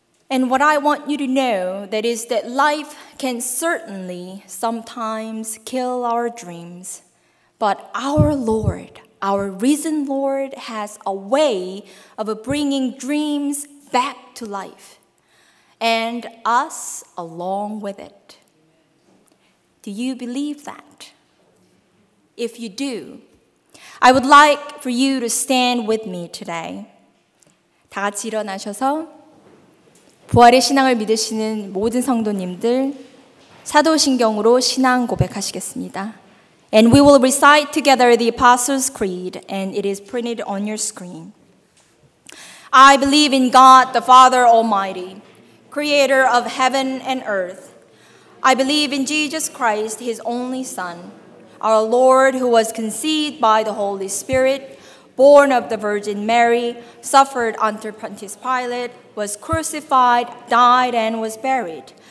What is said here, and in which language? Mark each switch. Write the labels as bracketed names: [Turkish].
[English] And what I want you to know that is that life can certainly sometimes kill our dreams, but our Lord, our risen Lord, has a way of bringing dreams back to life and us along with it. Do you believe that? If you do, I would like for you to stand with me today. [Korean] 다 같이 일어나셔서 부활의 신앙을 믿으시는 모든 성도님들 사도신경으로 신앙 고백하시겠습니다. [English] And we will recite together the Apostles' Creed, and it is printed on your screen. I believe in God, the Father Almighty, creator of heaven and earth. I believe in Jesus Christ, his only Son, our Lord, who was conceived by the Holy Spirit, born of the Virgin Mary, suffered under Pontius Pilate, was crucified, died, and was buried.